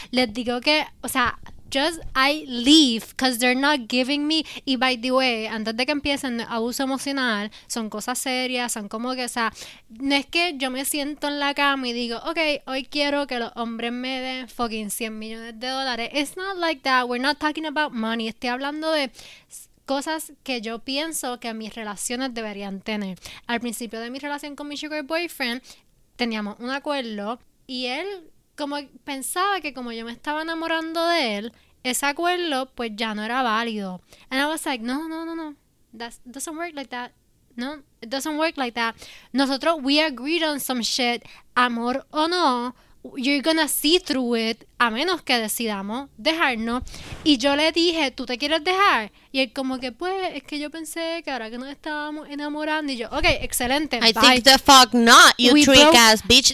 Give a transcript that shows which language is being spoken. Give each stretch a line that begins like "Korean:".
English: Les digo que, o sea, just I leave because they're not giving me.
Spanish: Y by the way, antes de que empiecen abuso emocional, son cosas serias, son como que, o sea, no es que yo me siento en la cama y digo, okay, hoy quiero que los hombres me den fucking 100 millones de dólares. It's not like that. We're not talking about money. Estoy hablando de cosas que yo pienso que mis relaciones deberían tener. Al principio de mi relación con mi sugar boyfriend, teníamos un acuerdo y él... como pensaba que como yo me estaba enamorando de él, ese acuerdo pues ya no era válido.
English: And I was like, no. It doesn't work like that. Nosotros, we agreed on some shit, amor o no, you're gonna see through it, a menos que decidamos dejarnos.
Spanish: Y yo le dije, ¿tú te quieres dejar? Y él como que, pues, es que yo pensé que ahora que nos estábamos enamorando. Y yo, okay, excelente,
English: bye. I think the fuck not, you trick ass bitch.